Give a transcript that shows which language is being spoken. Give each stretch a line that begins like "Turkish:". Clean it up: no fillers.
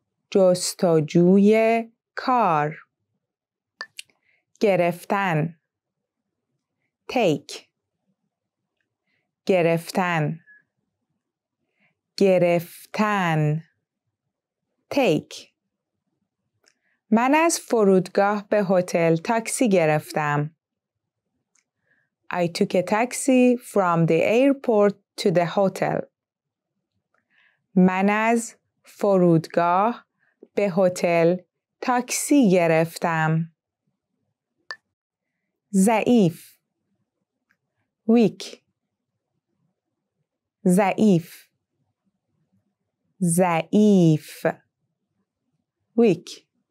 Persian: جستجوی کار. گرفتن.
English: Take.
Persian: گرفتن. گرفتن.
English: Take.
Persian: من از فرودگاه به هتل تاکسی گرفتم.
English: I took a taxi from the airport to the hotel.
Persian: من از فرودگاه به هتل تاکسی گرفتم. ضعیف.
English: Weak.
Persian: ضعیف. ضعیف.
English: Weak.